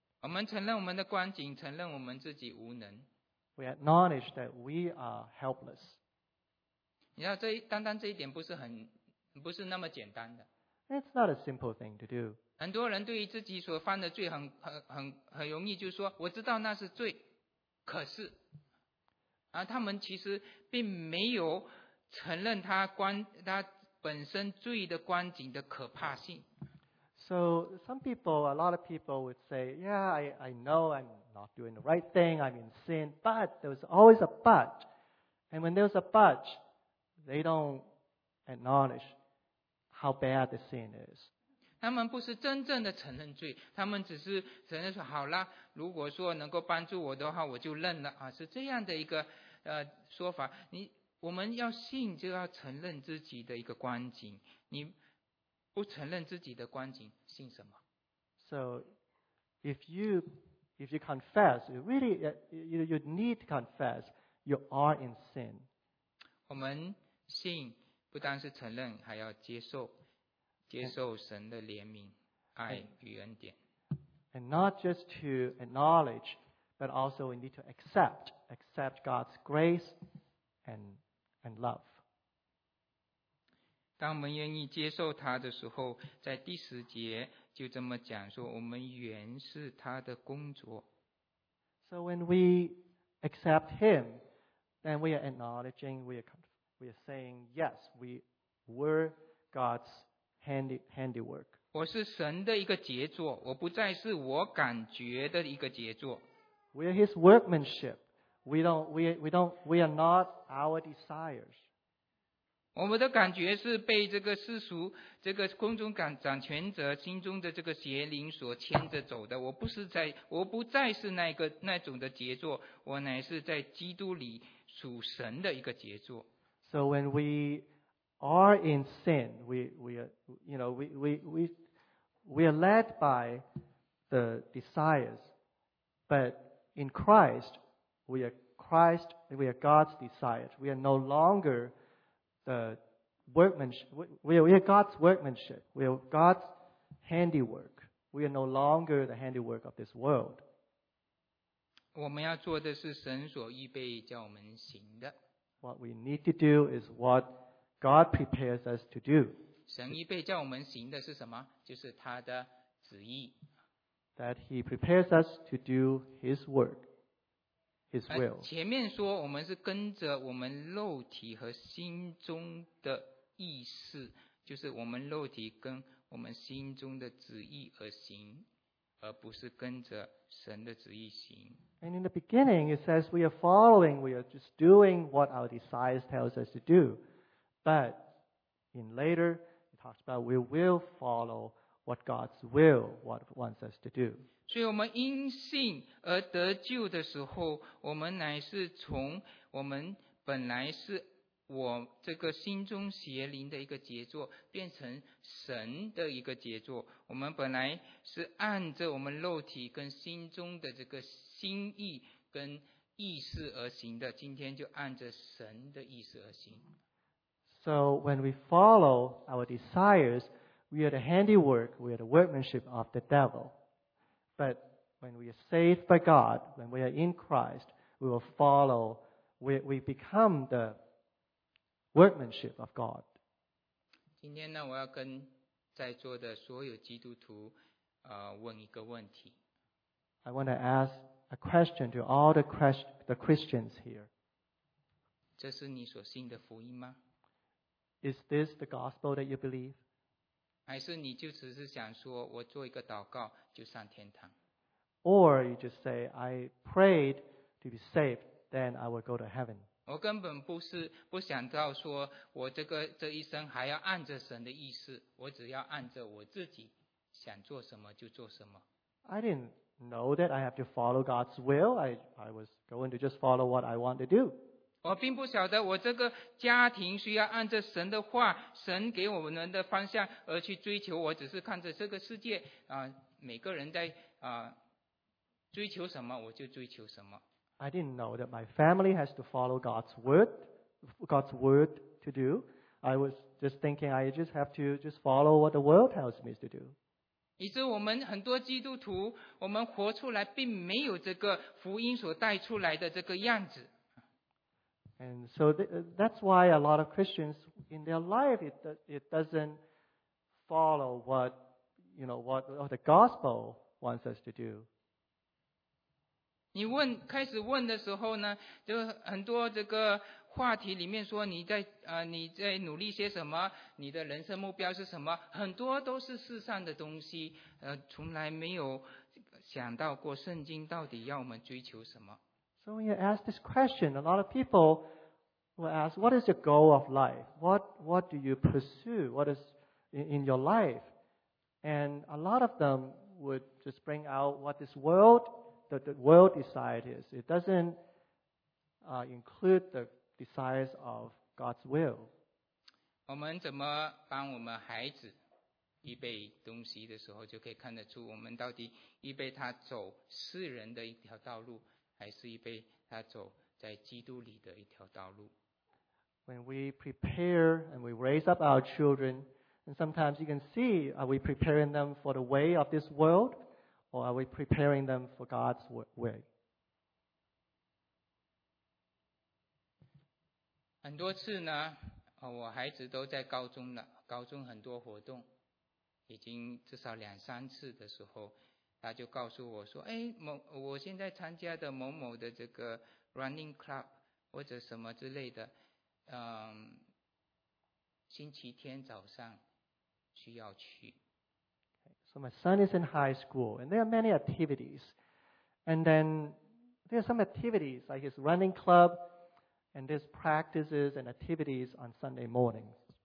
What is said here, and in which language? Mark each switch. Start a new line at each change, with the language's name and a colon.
Chinese: 我们承认我们的光景，承认我们自己无能。
English: We acknowledge that we are helpless.
Chinese: 你知道这单单这一点不是那么简单的。
English: It's not a simple thing to do.
Chinese: 很多人对于自己所犯的罪很容易就说我知道那是罪，可是，他们其实并没有承认他本身罪的光景的可怕性。
English: So some people, a lot of people would say, yeah, I know I'm not doing the right thing, I'm in sin, but there's always a but. And when there's a but, they don't acknowledge how bad the sin is.
Chinese: 他们不是真正的承认罪，他们只是承认说，好啦，如果说能够帮助我的话，我就认了，是这样的一个说法。我们要信就要承认自己的一个光景。你不承认自己的光景，信什么？
English: So, if you confess, you really you need to confess, you are in sin.
Chinese: 我们信不单是承认，还要接受神的怜悯、爱与恩典。
English: And not just to acknowledge, but also we need to accept God's grace and love.
Chinese: 当我们愿意接受他的时候，在第十节就这么讲说，我们原是他的工作。
English: So when we accept him, then we are acknowledging, we are saying, yes, we were God's handiwork.
Chinese: 我是神的一个杰作，我不再是我感觉的一个杰作。
English: We are his workmanship. We are not our desires.
Chinese: 我们的感觉是被这个世俗这个空中感掌权者心中的这个邪灵所牵着走的，我不再是那种的杰作，我乃是在基督里属神的一个杰作。
English: So when we are in sin, we are led by the desires, but in Christ we are God's desires. We are no longerThe workmanship, we are God's workmanship. We are God's handiwork. We are no longer the handiwork of this world.
Chinese: 我们要做的是神所预备叫我们行的。
English: What we need to do is what God prepares us to do.
Chinese: 神预备叫我们行的是什么？就是他的旨意。
English: That He prepares us to do His work. His will.
Chinese: 前面说我们是跟着我们肉体和心中的意识，就是我们肉体跟我们心中的旨意而行，而不是跟着神的旨意行。
English: And in the beginning it says we are following, we are just doing what our desires tells us to do. But in later it talks about we will follow what God's will, what wants us to do.
Chinese: 所以我们因信而得救的时候，我们乃是从我们本来是我这个心中邪灵的一个杰作变成神的一个杰作。我们本来是按着我们肉体跟心中的这个心意跟意识而行的，今天就按着神的意识而行。
English: So when we follow our desires, we are the handiwork, we are the workmanship of the devil. But when we are saved by God, when we are in Christ, we will follow, we become the workmanship of God.
Chinese: 今天呢，我要跟在座的所有基督徒，问一个问题。
English: I want to ask a question to all the Christians here.
Chinese: 这是你所信的福音吗？
English: Is this the gospel that you believe?
Chinese: 还是你就只是想说我做一个祷告就上天堂？
English: Or you just say, I prayed to be saved, then I will go to heaven.
Chinese: 我根本不想到说我这一生还要按着神的意思，我只要按着我自己想做什么就做什么。
English: I didn't know that I have to follow God's will. I was going to just follow what I want to do.
Chinese: 我并不晓得我这个家庭需要按着神的话，神给我们的方向而去追求，我只是看着这个世界，每个人在追求什么我就追求什么。
English: I didn't know that my family has to follow God's word to do. I was just thinking I just have to just follow what the world tells me to do.
Chinese: 以致我们很多基督徒，我们活出来并没有这个福音所带出来的这个样子。
English: And so that's why a lot of Christians in their life it doesn't follow what the gospel wants us to do.
Chinese: 你问开始问的时候呢，就很多这个话题里面说你在努力些什么，你的人生目标是什么，很多都是世上的东西，从来没有想到过圣经到底要我们追求什么。
English: So when you ask this question, a lot of people will ask, what is the goal of life? What do you pursue? What is in your life? And a lot of them would just bring out what this world, the world desire is. It doesn't include the desires of God's will.
Chinese: 我们怎么帮我们孩子预备东西的时候，就可以看得出我们到底预备他走世人的一条道路，还是预备他走在基督里的一条道路。
English: When we prepare and we raise up our children, and sometimes you can see, are we preparing them for the way of this world, or are we preparing them for God's way?
Chinese: 很多次呢，我孩子都在高中了，高中很多活动，已经至少两三次的时候，他就告诉我说，哎，我现在参加的某某的这个
English: running club
Chinese: 或者什么之类的，星期天早上需要去。
English: So my son is in high school, and there are many activities. And then there are some activities like his running club,and there's practices and activities on Sunday mornings.